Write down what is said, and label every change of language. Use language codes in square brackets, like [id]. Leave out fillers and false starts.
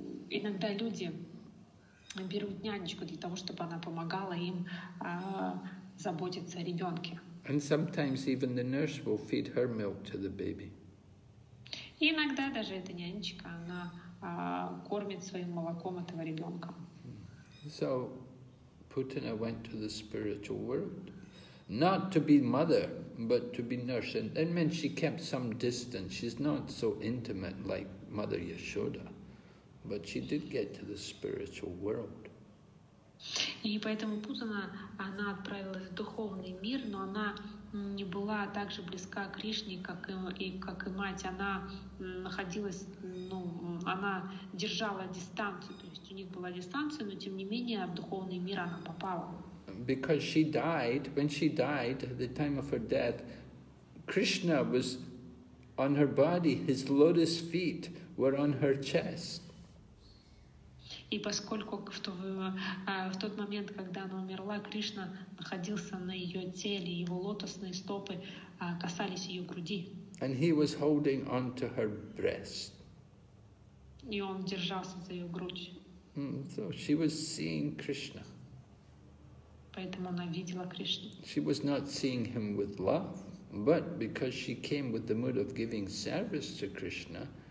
[ru] Иногда люди берут нянечку для того, чтобы она помогала им заботиться о ребенке. [en] And sometimes even the nurse will feed her milk to the baby. [ru] Иногда даже эта нянечка, она кормит своим молоком этого ребенка. [en] So Putana went to the spiritual world, not to be mother, but to be nurse. And that meant she kept some distance. She's not so intimate like Mother Yashoda. But she did get to the spiritual world. [ru] И поэтому Путана, она отправилась в духовный мир, но она не была так же близка к Кришне, как и мать. Она находилась, ну, она держала дистанцию, то есть у них была дистанция, но тем не менее в духовный мир она попала. [en] Because she died, when she died, at the time of her death, Krishna was on her body, his lotus feet were on her chest. [ru] И поскольку в тот момент, когда она умерла, Кришна находился на ее теле, его лотосные стопы касались ее груди. [en] And he was holding on to her breast. [ru] И он держался за ее грудь. [en] So she was seeing Krishna. [ru] Поэтому она видела Кришну. [en] She was not seeing him with love, but because she came with the mood of giving service to Krishna,